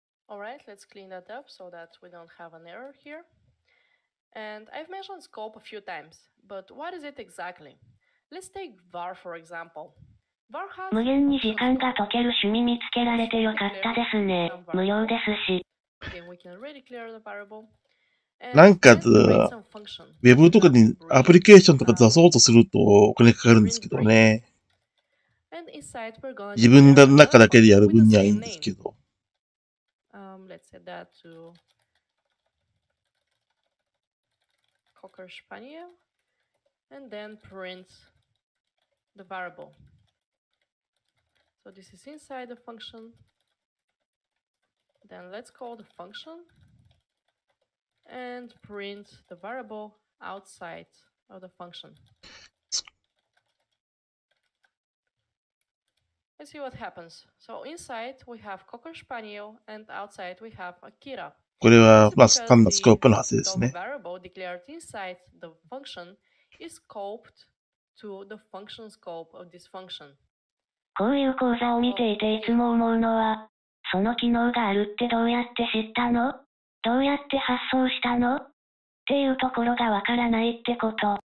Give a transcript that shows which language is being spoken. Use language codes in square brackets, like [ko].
[en] Alright, let's clean that up so that we don't have an error here. And I've mentioned scope a few times, but what is it exactly? Let's take var for example. Var has [ja] 無限に時間が解ける趣味見つけられてよかったですね。無料ですし。 [en] Again, we can re-declare the variable. [ja] なんか、ウェブとかにアプリケーションとか出そうとするとお金かかるんですけどね。 [en] And inside we're gonna [ja] 自分の中だけでやる分にはいいんですけど。 [en] Let's set that to... Cocker Spaniel, and then print the variable. So this is inside the function. Then let's call the function and print the variable outside of the function. Let's see what happens. So inside we have Cocker Spaniel, and outside we have Akira. [ja] これはまあ単なスコープの発生ですね。 [en] variable declared inside the function is scoped to the function scope of this function. [ja] こういう講座を見ていていつも思うのは、その機能があるってどうやって知ったの？どうやって発想したの？っていうところがわからないってこと。